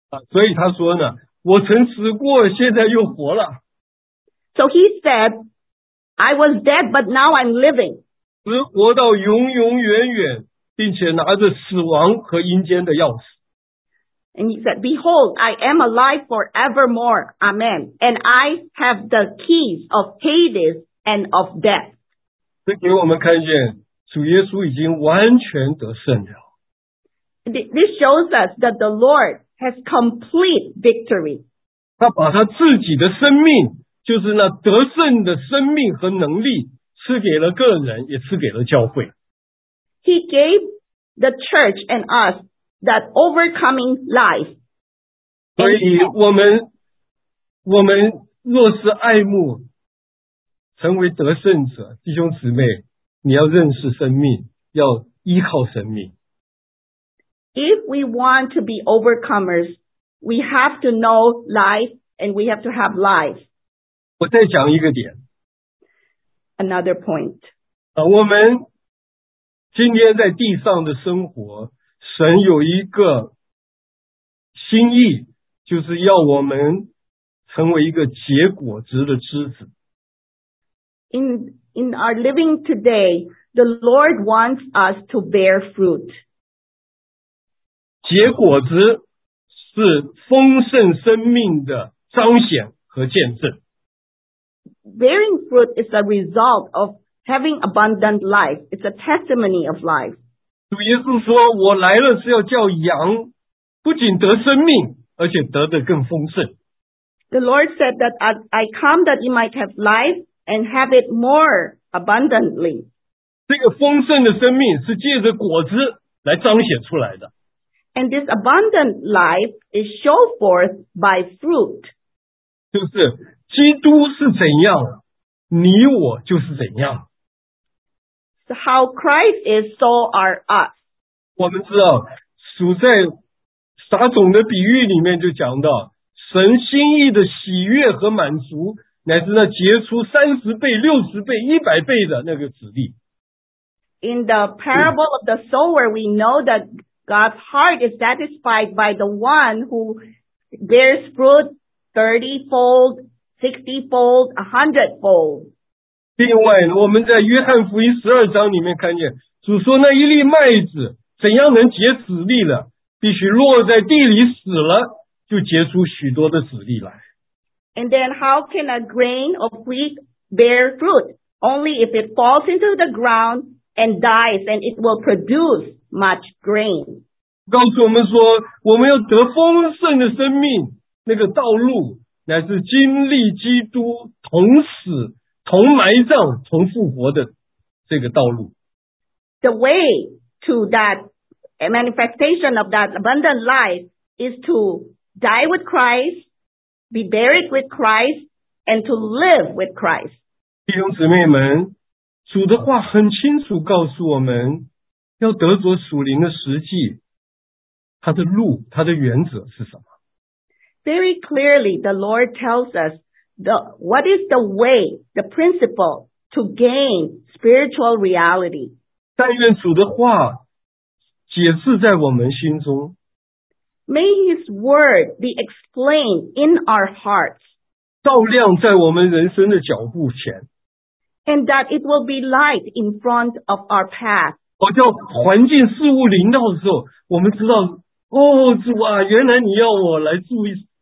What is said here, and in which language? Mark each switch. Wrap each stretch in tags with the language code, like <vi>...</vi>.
<zh>所以他说呢，我曾死过，现在又活了。</zh> <en>So he said, I was dead, but now I'm living.</en> <zh>活到永永远远，并且拿着死亡和阴间的钥匙。</zh> <en>And he said, behold, I am alive forevermore. Amen. And I have the keys of Hades and of death.</en> <zh>这给我们看见，主耶稣已经完全得胜了。</zh> <en>This shows us that the Lord has complete victory.</en> <zh>他把他自己的生命就是那得胜的生命和能力赐给了个人，也赐给了教会。</zh> <en>He gave the church and us that overcoming life.</en> <zh>所以我们若是爱慕成为得胜者，弟兄姊妹，你要认识生命，要依靠生命。</zh> <en>If we want to be overcomers, we have to know life and we have to have life.</en> <zh>我再讲一个点。</zh> <en>Another point.</en> <zh>我们今天在地上的生活，神有一个心意，就是要我们成为一个结果子的枝子。</zh> <en>In our living today, the Lord wants us to bear fruit.</en> <zh>结果子是丰盛生命的彰显和见证。</zh> <en>Bearing fruit is a result of having abundant life. It's a testimony of life.</en> <zh>主耶稣说，我来了是要叫羊不仅得生命，而且得的更丰盛。</zh> <en>The Lord said that I come that you might have life and have it more abundantly.</en> <zh>这个丰盛的生命是借着果子来彰显出来的。</zh> <en>And this abundant life is shown forth by fruit.</en> <zh>就是基督是怎样，你我就是怎样。</zh> <en>So how Christ is, so are us.</en> <zh>我们知道，主在撒种的比喻里面就讲到，神心意的喜悦和满足，乃是那结出30倍、60倍、100倍的那个子粒。</zh> <en>In the parable of the sower, we know that God's heart is satisfied by the one who bears fruit 30-fold. 60-fold, 100-fold.</en> <zh>另外，我们在约翰福音12章里面看见，主说那一粒麦子怎样能结籽粒了？必须落在地里死了，就结出许多的籽粒来。</zh> <en>And then, how can a grain of wheat bear fruit? Only if it falls into the ground and dies, and it will produce much grain.</en> <zh>告诉我们说，我们要得丰盛的生命，那个道路。乃是经历基督同死同埋葬同复活的这个道路。</zh> <en>The way to that manifestation of that abundant life is to die with Christ, be buried with Christ, and to live with Christ.</en> <zh>弟兄姊妹们，主的话很清楚告诉我们，要得着属灵的实际，他的路，他的原则是什么？</zh> <en>Very clearly, the Lord tells us what is the way, the principle to gain spiritual reality.</en> <zh>但愿主的话解释在我们心中。</zh> <en>May His word be explained in our hearts.</en> <zh>照亮在我们人生的脚步前。</zh> <en>And that it will be light in front of our path.</en> <zh>好像环境事物临到的时候，我们知道，哦，主啊，原来你要我来注意。</zh>